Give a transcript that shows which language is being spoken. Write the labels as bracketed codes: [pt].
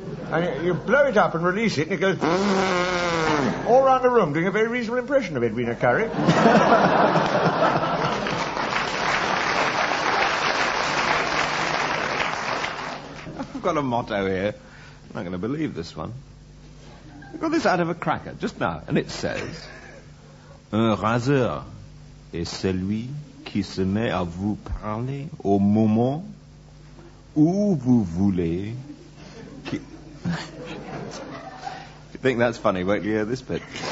[en] And you blow it up and release it, and it goes all around the room, doing a very reasonable impression of Edwina Curry. I've got a motto here. I'm not going to believe this one. I got this out of a cracker just now, and it says, [fr] un raseur est celui qui se met à vous parler au moment où vous voulez. [en] If you think that's funny, won't you hear this bit?